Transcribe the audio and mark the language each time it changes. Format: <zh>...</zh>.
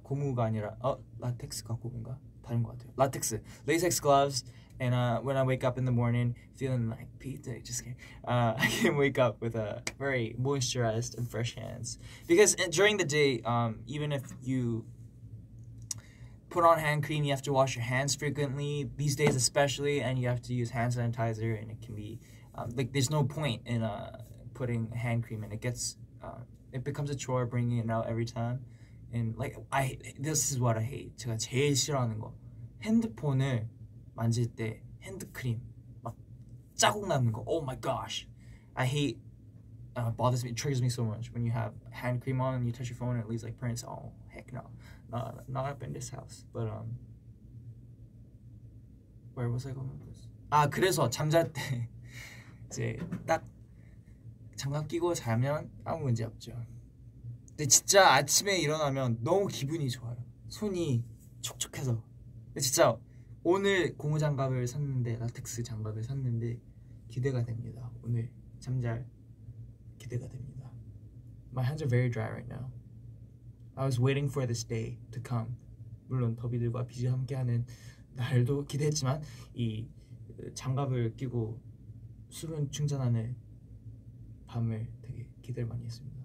<ko>고무가 아니라 라텍스가 고무인가? 다른 것 같아요. 라텍스.</ko> <en>Latex gloves and when I wake up in the morning feeling like pizza just kidding. I can wake up with a very moisturized and fresh hands. Because during the day even if you put on hand cream you have to wash your hands frequently these days especially and you have to use hand sanitizer and it can be like there's no point in putting hand cream in. It gets it becomes a chore bringing it out every time. And like I this is what I hate.</en> <ko>제가 제일 싫어하는 거 핸드폰을 만질 때 핸드크림 막 자국 나는 거.</ko> <en>Oh my gosh, I hate bothers me. It triggers me so much when you have hand cream on and you touch your phone and it leaves like prints. Oh heck no, not up in this house. But where was I going with this?</en> <ko>아 그래서 잠잘 때. 이제 딱 장갑 끼고 자면 아무 문제 없죠. 근데 진짜 아침에 일어나면 너무 기분이 좋아요. 손이 촉촉해서. 근데 진짜 오늘 고무장갑을 샀는데 라텍스 장갑을 샀는데 기대가 됩니다. 오늘 잠잘 기대가 됩니다.</ko> <en>My hands are very dry right now. I was waiting for this day to come.</en> <ko>물론 더비들과 비즈 함께하는 날도 기대했지만 이 장갑을 끼고 수분 충전하는 밤을 되게 기대를 많이 했습니다.</ko>